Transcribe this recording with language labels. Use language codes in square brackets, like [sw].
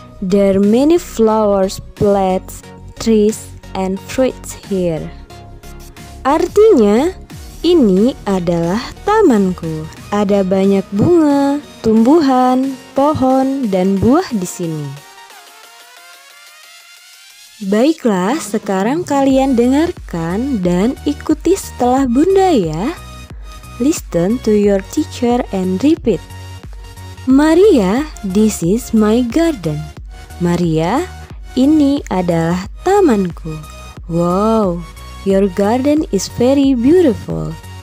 [en] There are many flowers, plants, trees, and fruits here. [id] Artinya, ini adalah tamanku. Ada banyak bunga, tumbuhan, pohon, dan buah di sini. Baiklah, sekarang kalian dengarkan dan ikuti setelah Bunda ya. [en] Listen to your teacher and repeat. Maria, this is my garden. [id] Maria, ini adalah tamanku. [en] Wow, your garden is very beautiful.